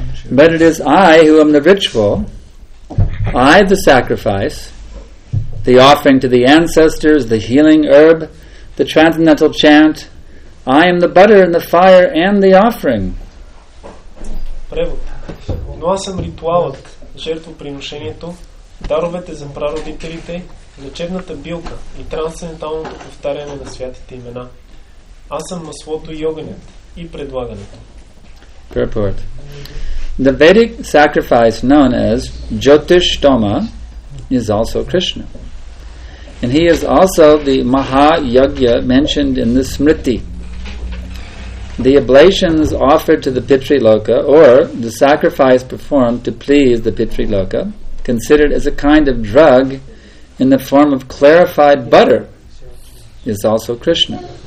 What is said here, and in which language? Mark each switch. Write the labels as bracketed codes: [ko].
[en] But it is I who am the ritual, I the sacrifice, the offering to the ancestors, the healing herb, the transcendental chant. I am the butter and the fire and the offering. [bg] Превод. Но аз съм ритуалът, жертвоприношението, даровете за прародителите, лечебната билка и трансценденталното повтаряне на святите имена. Аз съм маслото и огънят и предлагането. [en] Purport. The Vedic sacrifice known as Jyotishtoma is also Krishna. And he is also the Mahayagya mentioned in the Smriti. The oblations offered to the Pitriloka, or the sacrifice performed to please the Pitriloka, considered as a kind of drug in the form of clarified butter, is also Krishna.